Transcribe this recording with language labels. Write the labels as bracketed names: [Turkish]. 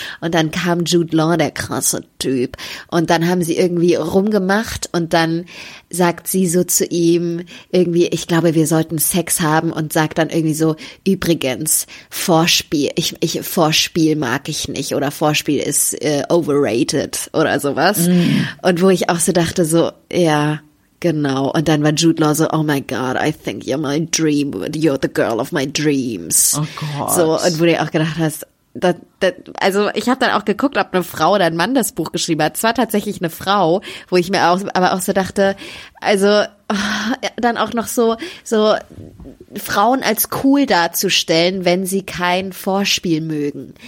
[German] Und dann kam Jude Law, der krasse Typ. Und dann haben sie irgendwie rumgemacht und dann sagt sie so zu ihm irgendwie, ich glaube, wir sollten Sex haben, und sagt dann irgendwie so, übrigens, Vorspiel mag ich nicht, oder Vorspiel ist overrated oder sowas. Mm. Und wo ich auch so dachte, so, ja, genau. Und dann war Jude Law so, [English] oh my God, I think you're my dream, you're the girl of my dreams. [German] Oh Gott. So, und wo du auch gedacht hast, also ich habe dann auch geguckt, ob eine Frau oder ein Mann das Buch geschrieben hat. Es war tatsächlich eine Frau, wo ich mir auch, aber auch so dachte, also dann auch noch so Frauen als cool darzustellen, wenn sie kein Vorspiel mögen.